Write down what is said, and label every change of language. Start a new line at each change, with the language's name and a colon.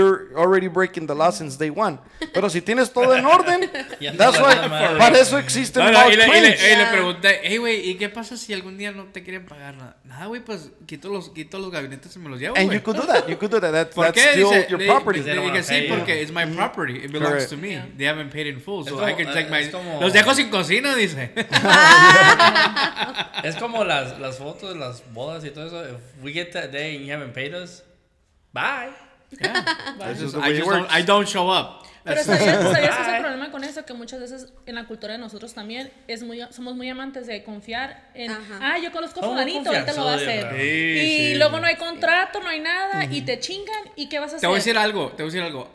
English: you're already breaking the law since day one.
Spanish: Pero si tienes todo en orden,
English: that's why,
Spanish: para eso existen los clientes. Y le pregunté, hey, güey, ¿y qué pasa si algún día no te quieren pagar nada? Güey, pues quito los gabinetes y me los llevo, güey.
English: And you could do that. That's still your property.
Spanish: Dije, sí, porque
English: it's my property. It belongs correct. To me. Yeah. They haven't paid in full. So I can take my...
Spanish: Los dejo sin cocina, dice. Es como las fotos de las bodas y todo eso.
English: If we get that day and you haven't paid us, bye. Yeah. Bye. I don't show up.
Spanish: Pero sabías que es el problema con eso, que muchas veces en la cultura de nosotros también somos muy amantes de confiar en, ajá, yo conozco fulanito, él te lo va a hacer. Sí, y sí. luego no hay contrato, no hay nada, uh-huh, y te chingan, ¿y qué vas a hacer? Te voy a decir algo.